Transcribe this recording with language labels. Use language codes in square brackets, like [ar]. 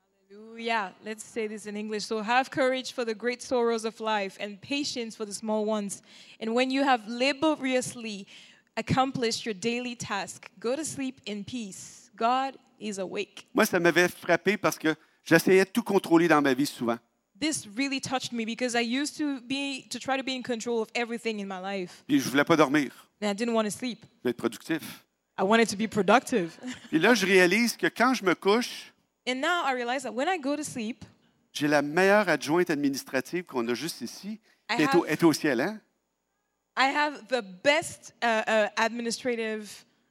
[en] Hallelujah. Let's say this in English. So have courage for the great sorrows of life and patience for the small ones. And when you have laboriously accomplished your daily task, go to sleep in peace. God is awake. [fr] Moi, ça m'avait frappé parce que j'essayais de tout contrôler dans ma vie souvent. [en] This really touched me because I used to try to be in control of everything in my life. [fr] Puis je voulais pas dormir. [en] And I didn't want to sleep. [fr] Je voulais être productif. [en] I wanted to be productive. [fr] Et là, je réalise que quand je me couche, [en] and now I realize that when I go to sleep, [fr] j'ai la meilleure adjointe administrative qu'on a juste ici. Est au ciel, hein? [en] I have the best administrative.